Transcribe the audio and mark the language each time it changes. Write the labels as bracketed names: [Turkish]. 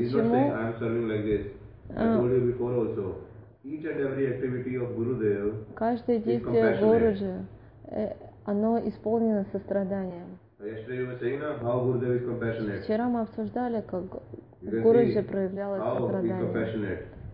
[English] He is not saying, I am serving like this. I told you before also. Each and every activity of Gurudev is compassionate. [Russian] Действие Гуруджи, оно исполнено состраданием. [English] Yesterday we were saying, how Gurudev is compassionate. [Russian] Вчера мы обсуждали, как Гуруджи проявлял сострадание.